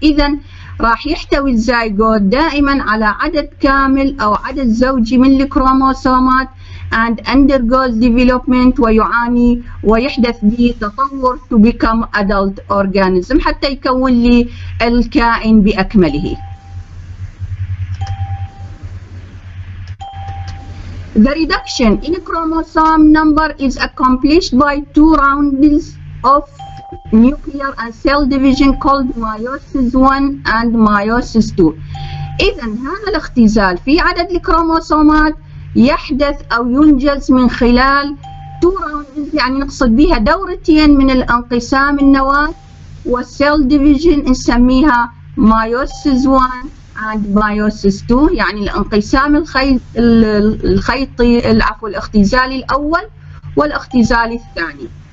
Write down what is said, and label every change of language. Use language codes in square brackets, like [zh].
[ar] إذن راح يحتوي الزايغوت دائما على عدد كامل أو عدد زوجي من الكروموسومات [en] and undergoes development [ar] ويعاني ويحدث به تطور [en] to become adult organism [ar] حتى يكون لي الكائن بأكمله. [en] The reduction in chromosome number is accomplished by two rounds of nuclear and cell division called meiosis 1 and meiosis 2. [ar] إذا هذا الاختزال في عدد الكروموسومات يحدث أو ينجز من خلال يعني نقصد بها دورتين من الانقسام النواة والسيل ديفيجن نسميها ميوسيس 1 and ميوسيس 2 يعني الانقسام الخيطي العفو الاختزالي الأول والاختزالي الثاني.